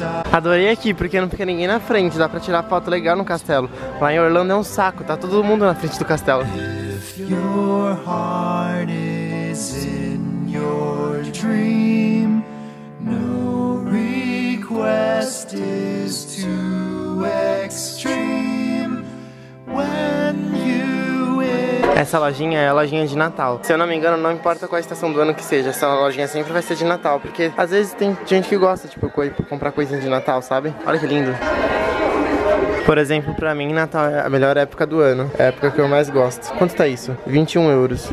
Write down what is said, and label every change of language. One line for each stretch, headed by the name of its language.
Portuguese: Adorei aqui, porque não fica ninguém na frente. Dá pra tirar foto legal no castelo. Lá em Orlando é um saco, tá todo mundo na frente do castelo.
English: Your heart is in your dream, no request is too extreme when you wish.
Portuguese: Essa lojinha é a lojinha de Natal. Se eu não me engano, não importa qual a estação do ano que seja, essa lojinha sempre vai ser de Natal, porque às vezes tem gente que gosta, tipo, comprar coisinha de Natal, sabe? Olha que lindo. Por exemplo, pra mim, Natal é a melhor época do ano. É a época que eu mais gosto. Quanto tá isso? 21 euros.